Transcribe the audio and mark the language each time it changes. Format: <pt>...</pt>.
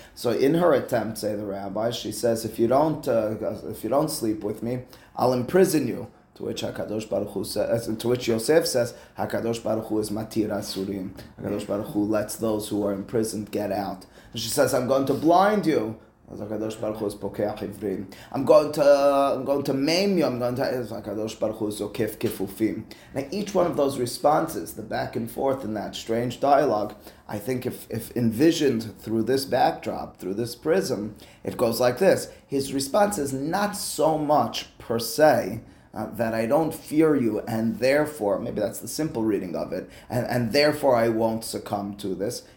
<en>So in her attempt, say the rabbi, she says, if you don't sleep with me, I'll imprison you. To which HaKadosh Baruch Hu says, to which Yosef says, HaKadosh Baruch Hu is matir asurim. HaKadosh Baruch Hu lets those who are imprisoned get out. And she says, I'm going to blind you.</en> <he>אז הקדוש ברוך הוא פוקח עברים.</he> <en>I'm going to maim you. I'm going to.</en> <he>אז הקדוש ברוך הוא זוקף כפופים.</he> <en>Now each one of those responses, the back and forth in that strange dialogue, I think if envisioned through this backdrop, through this prism, it goes like this. His response is not so much per se that I don't fear you, and therefore, maybe that's the simple reading of it, and therefore I won't succumb to this.</en>